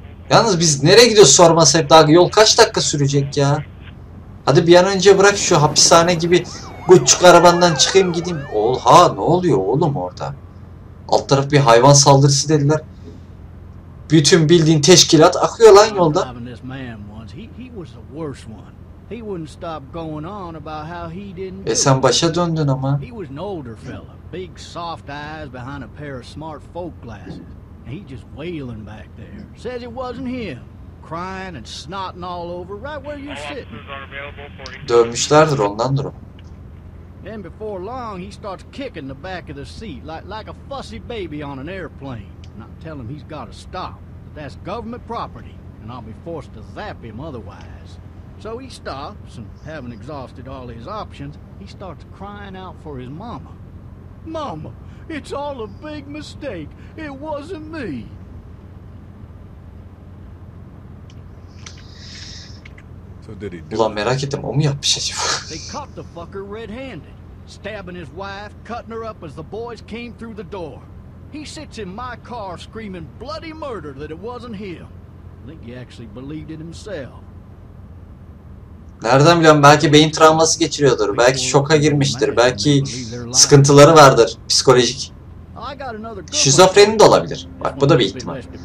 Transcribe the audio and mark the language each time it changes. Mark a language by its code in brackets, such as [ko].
[tr] Yalnız biz nereye gidiyoruz sorması hep, daha yol kaç dakika sürecek ya? Hadi bir an önce bırak şu hapishane gibi buçuk arabandan çıkayım gideyim. Oha, ne oluyor oğlum orada? Alt taraf bir hayvan saldırısı dediler. Bütün bildiğin teşkilat akıyor lan yolda. [en] Driving this man once. He was the worst one. He wouldn't stop going on about how he didn't [tr] E [en] do it. [tr] sen başa döndün ama. [en] He was an older fella, big soft eyes behind a pair of smart folk glasses. And he just wailing back there. Says it wasn't him. Crying and snotting all over right where you're sitting. [tr] Dövmüşlerdir, ondandır o. [en] And before long, he starts kicking the back of the seat like a fussy baby on an airplane. And I tell him he's got to stop. But that's government property, and I'll be forced to zap him otherwise. So he stops, and having exhausted all his options, he starts crying out for his mama. Mama, it's all a big mistake. It wasn't me. [tr] Ulan merak ettim, o mu yapmış acaba? [en] They caught the fucker red-handed, stabbing his wife, cutting her up as the boys came through the door. He sits in my car screaming bloody murder that it wasn't him. I think he actually believed it himself. [tr] Nereden biliyorum, belki beyin travması geçiriyordur, belki şoka girmiştir, belki sıkıntıları vardır psikolojik. Şizofreni de olabilir. Bak bu da bir ihtimal.